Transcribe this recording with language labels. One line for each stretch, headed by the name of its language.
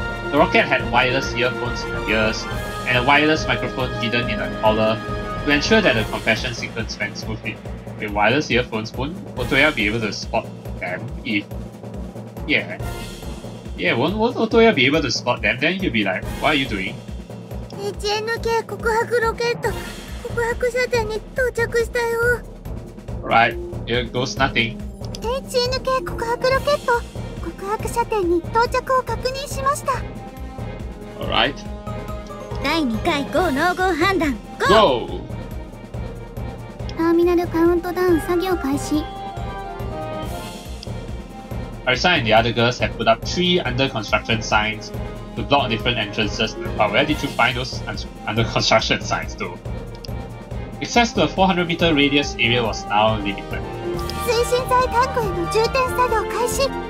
English: The rocket had wireless earphones in the ears and a wireless microphone hidden in a collar to ensure that the confession sequence went smoothly. With wireless earphones, won't Otoya be able to spot them if... Yeah, won't Otoya be able to spot them? Then you'll be like, what are you doing?
Japanese: HNK 告白ロケット告白射程に到着したよ。
English: Right, here goes nothing.
Japanese: HNK 告白ロケット告白射程に到着を確認しました。
English: Alright.
Japanese: 第2回 GO NO GO 判断 GO!
English: GO!
Japanese: ターミナルカウントダウン作業開始。
English: Arisa and the other girls have put up three under construction signs to block different entrances. But where did you find those under construction signs, though? Access to a 400 meter radius area was now limited.
Japanese: 推進剤タンクへの充填作業開始。